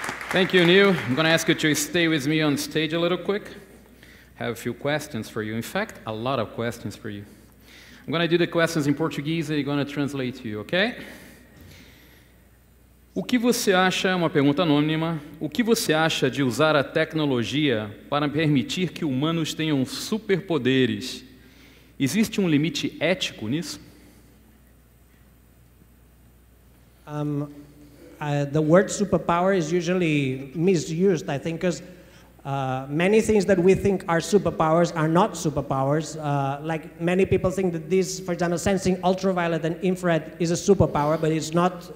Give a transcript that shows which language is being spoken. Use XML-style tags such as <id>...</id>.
<en>Thank you, Neil. I'm going to ask you to stay with me on stage a little quick. I have a few questions for you. In fact, a lot of questions for you. I'm going to do the questions in Portuguese and I'm going to translate to you, okay?</en> <pt>O que você acha, é uma pergunta anônima, o que você acha de usar a tecnologia para permitir que humanos tenham superpoderes? Existe um limite ético nisso?</pt> <en>The word superpower is usually misused, I think, because many things that we think are superpowers are not superpowers. Like many people think that this, for example, sensing ultraviolet and infrared is a superpower, but it's not.</en>